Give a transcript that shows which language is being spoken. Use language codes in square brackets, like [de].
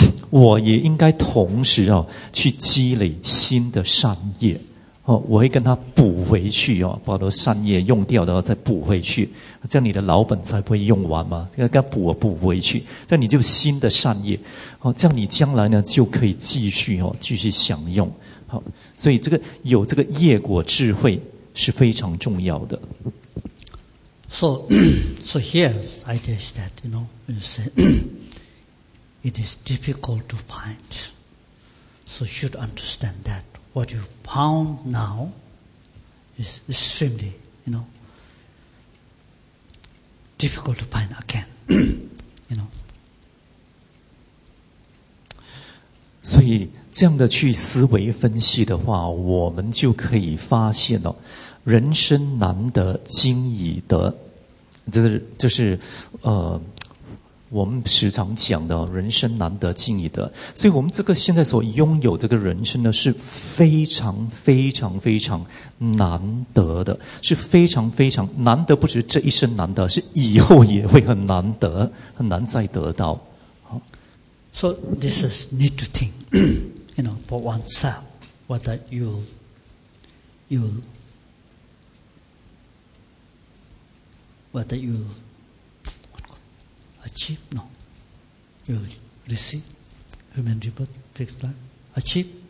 [zh] 我也应该同时啊去积累新的善业、哦、我会跟他补回去啊，把这善业用掉的话再补回去，这样你的老本才不会用完嘛，该补回去，这样你就新的善业，这样你将来呢就可以继续享用。好，所以这个有这个业果智慧是非常重要的。 [en] So here's idea is that, you know, when you say it is difficult to find, so you should understand that what you found now is extremely, you knowDifficult to find again, you know. [zh] 所以这样的去思维分析的话，我们就可以发现哦，人生难得今已得，就是我们时常讲的人生难得今已得。所以我们这个现在所拥有这个人生呢，是非常非常非常难得的，是非常非常难得，不只是这一生难得，是以后也会很难得，很难再得到。 [en] So this is need to think, you know, for oneself, what that you'll achieve, no, you'll receive human rebirth, fixed life, achieve,